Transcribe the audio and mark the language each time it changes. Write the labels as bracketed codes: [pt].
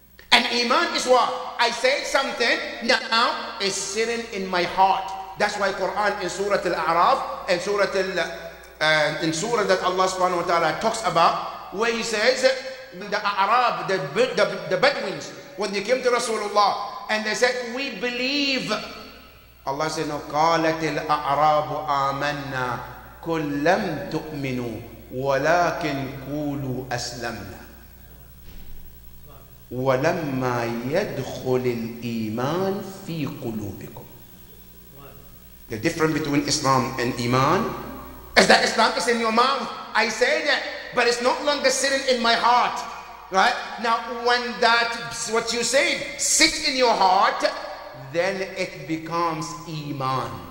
[en] And iman is what? I say something, now it's sitting in my heart. That's why Quran in Surah Al-A'raf and Surah in Surah that Allah [ar] subhanahu wa ta'ala [en] talks about, where he says, the Arab, the Bedouins, when they came to Rasulullah and they said, we believe. Allah said, no, [ar] قالت الأعراب آمنا قل لم تؤمنوا ولكن قولوا أسلمنا ولما يدخل الإيمان في قلوبكم. [en] The difference between Islam and Iman is that Islam is in your mouth. I say that, but it's no longer sitting in my heart. Right? Now, when that, what you say, sits in your heart, then it becomes Iman.